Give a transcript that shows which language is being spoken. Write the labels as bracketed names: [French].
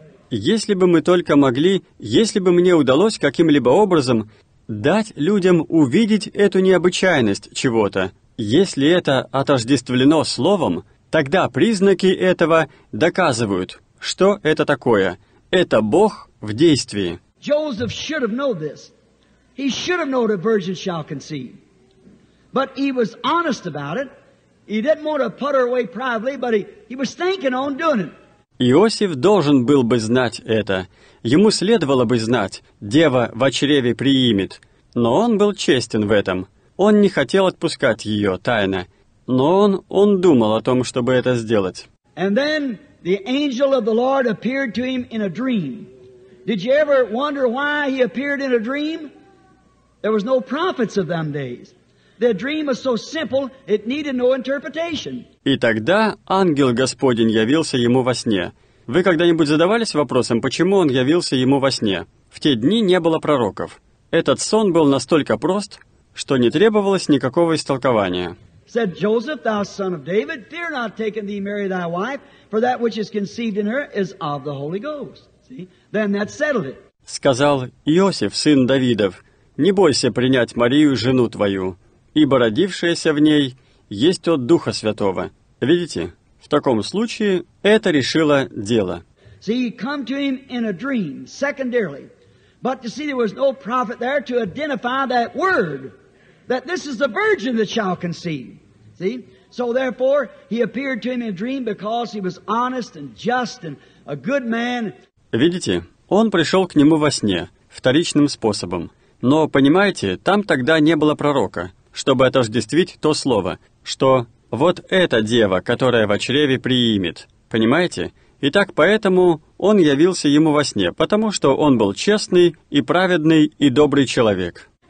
[Russian] Если бы мы только могли, если бы мне удалось каким-либо образом дать людям увидеть эту необычайность чего-то. Если это отождествлено словом, тогда признаки этого доказывают, что это такое. Это Бог в действии. [English] Joseph should have known this. He should have known a virgin shall conceive. But he was honest about it. He didn't want to put her away privately, but he was thinking on doing it. [Russian] Иосиф должен был бы знать это. Ему следовало бы знать, дева в чреве приимет. Но он был честен в этом. Он не хотел отпускать ее тайно. Но он думал о том, чтобы это сделать. [English] And then the angel of the Lord appeared to him in a dream. Did you ever wonder why he appeared in a dream? There was no prophets of them days. Their dream was so simple, it needed no interpretation. [Russian] И тогда ангел Господень явился ему во сне. Вы когда-нибудь задавались вопросом, почему он явился ему во сне? В те дни не было пророков. Этот сон был настолько прост, что не требовалось никакого истолкования. [English] Said Joseph, thou son of David, fear not taking thee Mary thy wife, for that which is conceived in her is of the Holy Ghost. See? Then that settled it. [Russian] Сказал Иосиф, сын Давидов, не бойся принять Марию, жену твою. Ибо родившаяся в ней есть от Духа Святого. Видите, в таком случае это решило дело. [English] See, come to him in a dream, secondarily. But you see, there was no prophet there to identify that word, that this is the virgin that shall conceive. See? So therefore, he appeared to him in a dream because he was honest and just and a good man. [Russian] Видите, он пришел к нему во сне, вторичным способом. Но, понимаете, там тогда не было пророка, чтобы отождествить то слово, что «вот эта дева, которая в чреве приимет». Понимаете? Итак, поэтому он явился ему во сне, потому что он был честный и праведный и добрый человек.